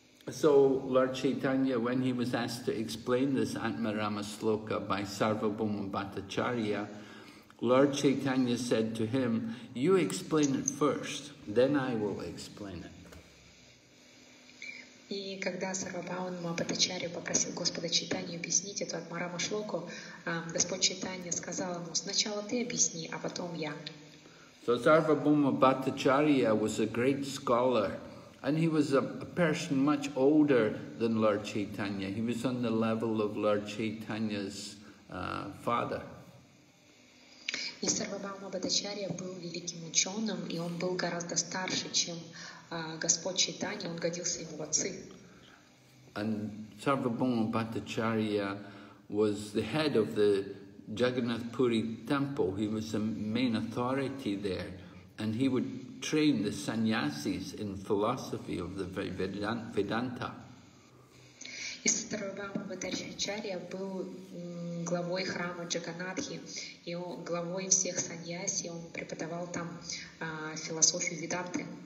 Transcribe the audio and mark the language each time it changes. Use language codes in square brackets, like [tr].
[en] So Lord Chaitanya, when he was asked to explain this Atmarama sloka by Sarvabhauma Bhattacharya, Lord Chaitanya said to him, "You explain it first, then I will explain it." [ru] И когда Сарвабхаума Бхаттачарья попросил Господа Чайтанью объяснить эту Атмарама шлоку, Господь Чайтанья сказал ему: "Сначала ты объясни, а потом я." [en] So Sarvabhauma Bhattacharya was a great scholar. And he was a person much older than Lord Chaitanya. He was on the level of Lord Chaitanya's father. [ru] И Сарвабхаума Бхаттачарья был великим ученым, и он был гораздо старше, чем Господь Чайтанья. Он годился ему в отцы. [en] And Sarvabhauma Bhattacharya was the head of the Jagannath Puri temple. He was the main authority there, and he would train the sannyasis in philosophy of the Vedanta. [ru] И Сарвабхаума Бхаттачарья был главой храма Джаганатхи, и он главой всех саньяси, он преподавал там философию Веданты.